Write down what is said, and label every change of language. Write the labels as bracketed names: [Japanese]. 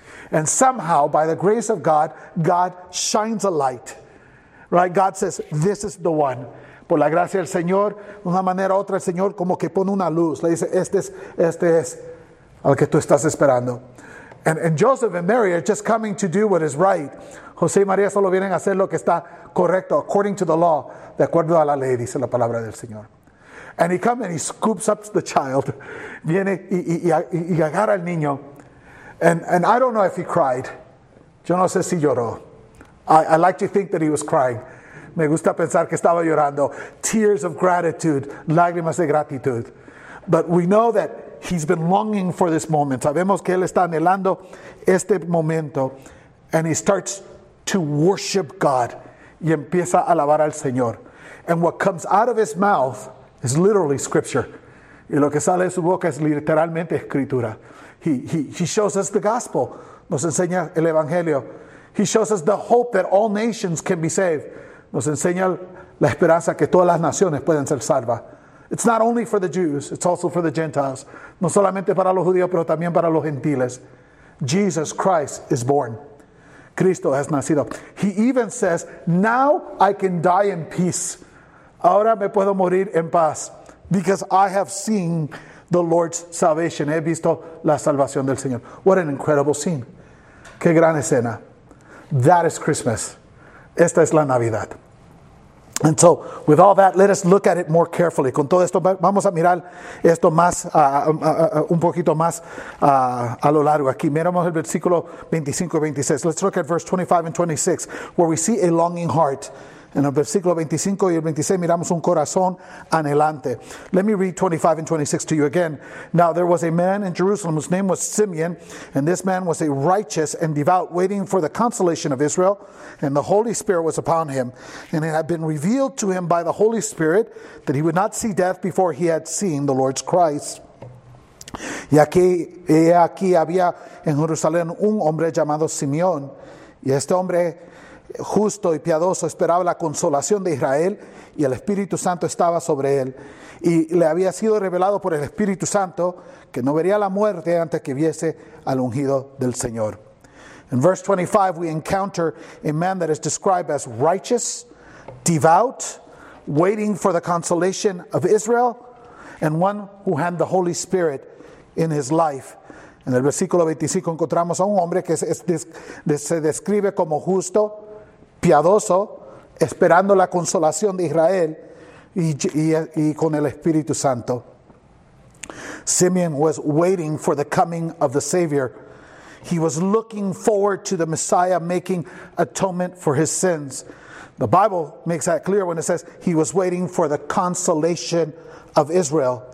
[English] And somehow, by the grace of God, God shines a light. Right? God says, this is the one. [Spanish] Por la gracia del Señor, de una manera u otra, el Señor como que pone una luz. Le dice, este es al que tú estás esperando. [English] And Joseph and Mary are just coming to do what is right. [Spanish] José y María solo vienen a hacer lo que está correcto, [English] according to the law, [Spanish] de acuerdo a la ley, dice la palabra del Señor. [English] And he comes and he scoops up the child. [Spanish] Viene y agarra al niño. [English] And I don't know if he cried. [Spanish] Yo no sé si lloró. [English] I like to think that he was crying. [Spanish] Me gusta pensar que estaba llorando. [English] Tears of gratitude, [Spanish] lágrimas de gratitud. [English] But we know that he's been longing for this moment. [Spanish] Sabemos que él está anhelando este momento. [English] And he starts to worship God. [Spanish] Y empieza a alabar al Señor. [English] And what comes out of his mouth is literally scripture. [Spanish] Y lo que sale de su boca es literalmente escritura. [English] He shows us the gospel. [Spanish] Nos enseña el evangelio. [English] He shows us the hope that all nations can be saved. [Spanish] Nos enseña la esperanza que todas las naciones pueden ser salvas. [English] It's not only for the Jews, it's also for the Gentiles. [Spanish] No solamente para los judíos, pero también para los gentiles. [English] Jesus Christ is born. [Spanish] Cristo has nacido. [English] He even says, now I can die in peace. [Spanish] Ahora me puedo morir en paz. [English] Because I have seen the Lord's salvation. [Spanish] He visto la salvación del Señor. [English] What an incredible scene. [Spanish] Qué gran escena. [English] That is Christmas. [Spanish] Esta es la Navidad. [English] And so, with all that, let us look at it more carefully. [Spanish] Con todo esto, vamos a mirar esto más, un poquito más a lo largo. Aquí, miramos el versículo 25 y 26. [English] Let's look at verse 25 and 26, where we see a longing heart. [Spanish] En el versículo 25 y el 26, miramos un corazón anhelante. [English] Let me read 25 and 26 to you again. Now, there was a man in Jerusalem whose name was Simeon, and this man was a righteous and devout, waiting for the consolation of Israel, and the Holy Spirit was upon him. And it had been revealed to him by the Holy Spirit that he would not see death before he had seen the Lord's Christ. [Spanish] Y aquí había en Jerusalén un hombre llamado Simeón, y este hombre justo y piadoso esperaba la consolación de Israel y el Espíritu Santo estaba sobre él y le había sido revelado por el Espíritu Santo que no vería la muerte antes que viese al ungido del Señor. [English] In verse 25 we encounter a man that is described as righteous, devout, waiting for the consolation of Israel and one who had the Holy Spirit in his life. [Spanish] En el versículo 25 encontramos a un hombre que se describe como justo, piadoso, esperando la consolación de Israel y con el Espíritu Santo. [English] Simeon was waiting for the coming of the Savior. He was looking forward to the Messiah making atonement for his sins. The Bible makes that clear when it says he was waiting for the consolation of Israel.